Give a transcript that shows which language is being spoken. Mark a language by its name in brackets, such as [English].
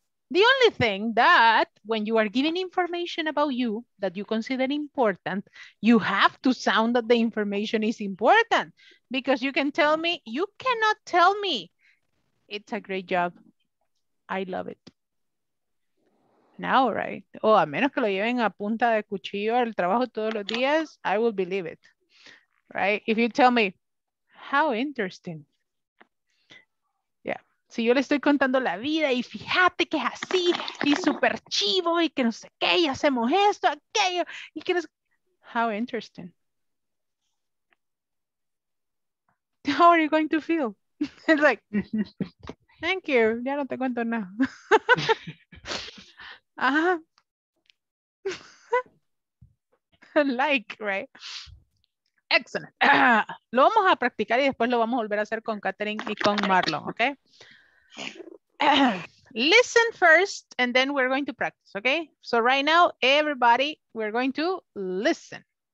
[English] The only thing that when you are giving information about you that you consider important, you have to sound that the information is important, because you can tell me, you cannot tell me, it's a great job, I love it. Now, right? [Spanish] Oh, a menos que lo lleven a punta de cuchillo al trabajo todos los días, I will believe it, right? [English] If you tell me, how interesting. [Spanish] Si yo le estoy contando la vida y fíjate que es así y súper chivo y que no sé qué y hacemos esto, aquello y que no sé. [English] How interesting. How are you going to feel? It's like, thank you, ya no te cuento nada. Uh-huh. Like, right? Excellent. [Spanish] Lo vamos a practicar y después lo vamos a volver a hacer con Catherine y con Marlon, ¿ok? [English] Listen first and then we're going to practice, okay? So right now, everybody, we're going to listen.